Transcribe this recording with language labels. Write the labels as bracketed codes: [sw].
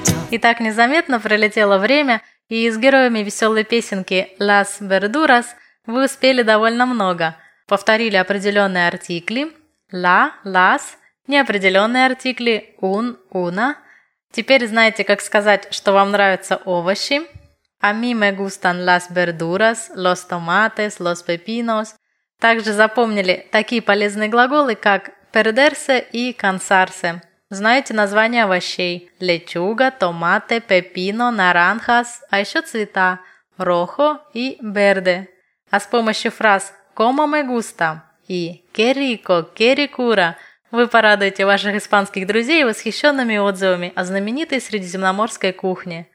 [ru] И так незаметно пролетело время, и с героями веселой песенки «Las verduras» вы успели довольно много. Повторили определенные артикли «la», «las», неопределенные артикли «un», «una». Теперь знаете, как сказать, что вам нравятся овощи. [es] «A mí me gustan las verduras», «los tomates», «los pepinos». [ru] Также запомнили такие полезные глаголы, как «perderse» и «cansarse». Знаете названия овощей? Лечуга, томаты, пепино, наранхас, а еще цвета – рохо и верде. А с помощью фраз [es] «como me gusta» [ru] и [es] «que rico, que ricura» [ru] вы порадуете ваших испанских друзей восхищенными отзывами о знаменитой средиземноморской кухне.